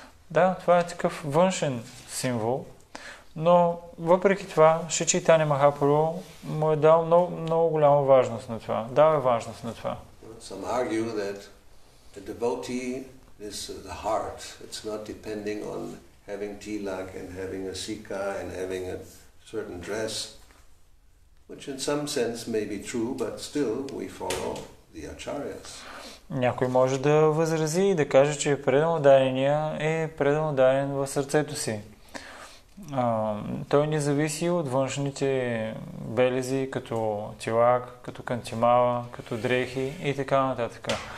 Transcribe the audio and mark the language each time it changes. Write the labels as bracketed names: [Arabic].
[Bulgarian] Да, това е такъв външен символ. Но въпреки това, Шри Чайтанья Махапрабху му е дал много, много голяма важност на това. Дава важност на това. [English] Some argue that the devotee is the heart. It's not depending on having tilak and having a sikha and having a certain dress, which in some sense may be true, but still we follow the acharyas. [Bulgarian] Някой може да възрази и да каже, че предамодарения е предамодарен в сърцето си. Той не зависи от външните белези, като тилак, като кантимала, като дрехи и така нататък.